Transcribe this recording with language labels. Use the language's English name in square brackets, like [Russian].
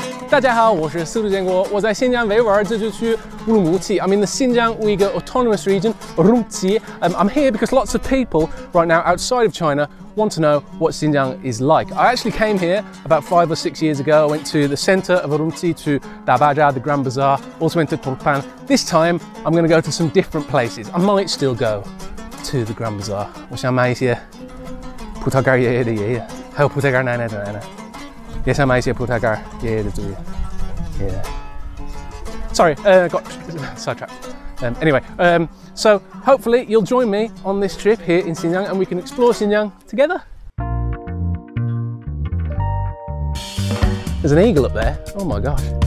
[Chinese] 大家好，我是司徒建国，我在新疆维吾尔自治区乌鲁木齐。 [English] I'm in the Xinjiang Uygur Autonomous Region, Urumqi. I'm here because lots of people right now outside of China want to know what Xinjiang is like. I actually came here about 5 or 6 years ago. I went to the center of Urumqi to Da Bazaar, the Grand Bazaar, also went to Turpan. This time, I'm going to go to some different places. I might still go to the Grand Bazaar. [Chinese] 我想买一些葡萄干爷爷的爷爷，还有葡萄干奶奶的奶奶。也想买一些葡萄干爷爷的作业。 [English] Anyway, so hopefully you'll join me on this trip here in Xinjiang and we can explore Xinjiang together. There's an eagle up there. Oh my gosh.